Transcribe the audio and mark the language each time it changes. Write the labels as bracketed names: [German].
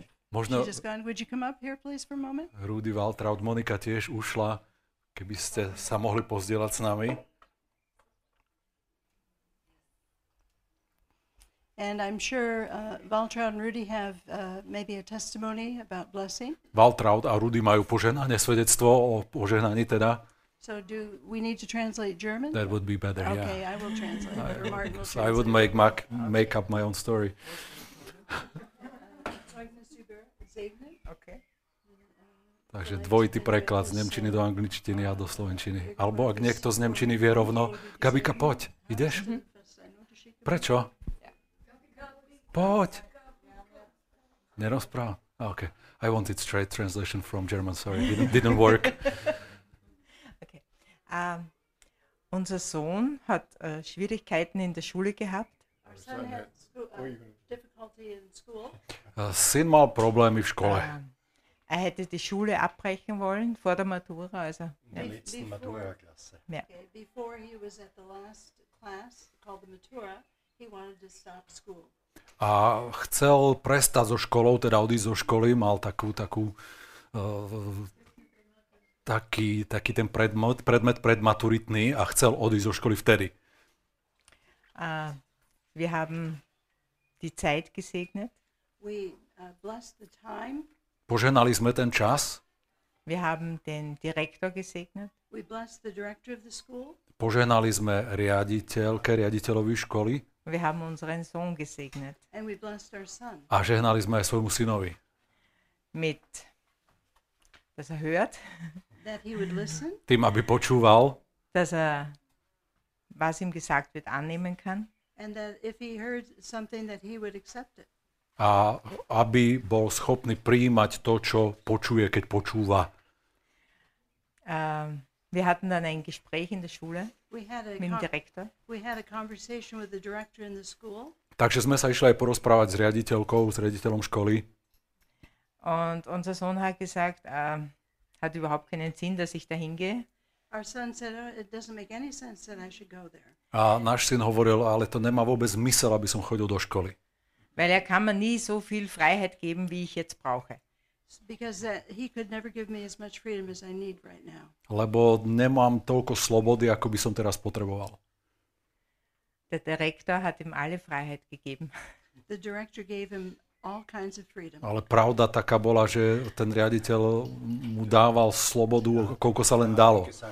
[Slovak] Možno [English] she's just gone. Would you come up here please for a moment? [Slovak] Rudy Valtraud, Monika tiež ušla. Keby ste sa mohli pozdieľať s nami. [English] And I'm sure Valtraud and Rudy have maybe a testimony about blessing. [Slovak] Valtraud a Rudy majú požehnanie, svedectvo o požehnaní teda. [English] So do we need to translate German? That would be better, okay, yeah. Okay, I will translate. Martin, I would make up my own story. [Slovak] Takže dvojitý preklad z nemčiny do angličtiny a do slovenčiny. Alebo ak niekto z nemčiny vie rovno, Gabika, poď, ideš? Prečo? Poď. Nerozpráv. Okay. [English] I wanted straight translation from German, sorry. Didn't work. Okay. [German] Unser Sohn hat Schwierigkeiten in der Schule gehabt. [Slovak] Syn mal problémy v škole. [German] Er hätte die Schule abbrechen wollen vor der Matura, also. In der letzten Matura-Klasse. [English] Yeah. Okay. Before he was at the last class called the Matura, he wanted to stop school. [Slovak] A chcel prestať so školou, teda odísť zo školy, mal taký ten predmet predmaturitný a chcel odísť zo školy vtedy. [German] Wir haben die Zeit gesegnet. [English] We blessed the time. [Slovak] Požehnali sme ten čas. [German] Wir haben den Direktor gesegnet. [English] We blessed the director of the school. [Slovak] Požehnali sme riaditeľke, riaditeľovi školy. [German] Wir haben unseren Sohn gesegnet. [English] And we blessed our son. [Slovak] A žehnali sme aj svojmu synovi. [German] Mit, dass er hört. [English] That he would listen. [Slovak] Tým, aby počúval. [German] Dass er, was ihm gesagt wird, annehmen kann. [English] And that if he heard something, that he would accept it. [Slovak] A aby bol schopný prijímať to, čo počuje, keď počúva. [German] Wir hatten dann ein Gespräch in der Schule mit dem Direktor. [English] We had a conversation with the director in the school. [Slovak] Takže sme sa išli aj porozprávať s riaditeľkou, s riaditeľom školy. [German] Und unser Sohn hat gesagt, hat überhaupt keinen Sinn, dass ich da hingehe. [English] Our son said, oh, it doesn't make any sense that I should go there. [Slovak] A náš syn hovoril, ale to nemá vôbec zmysel, aby som chodil do školy. [German] Weil er kann mir nie so viel Freiheit geben, wie ich jetzt brauche. [English] Because he could never give me as much freedom as I need right now. [Slovak] Lebo nemám toľko slobody, ako by som teraz potreboval. [German] Der Direktor hat ihm alle Freiheit gegeben. [English] The director gave him all kinds of freedom. [Slovak] Ale pravda taká bola, že ten riaditeľ mu dával slobodu, koľko sa len dalo.